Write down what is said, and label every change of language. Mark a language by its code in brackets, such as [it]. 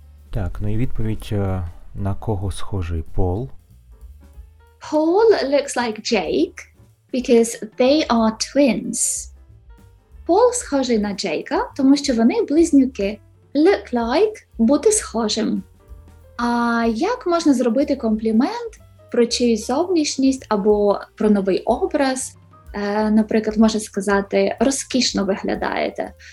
[uk] Так, ну і відповідь, на кого схожий Paul? [en] Paul looks like Jake, because they are twins. [uk] Пол схожий на Джейка, тому що вони близнюки. Look like – бути схожим. А як можна зробити комплімент про чиюсь зовнішність або про новий образ? Наприклад, можна сказати «Розкішно виглядаєте».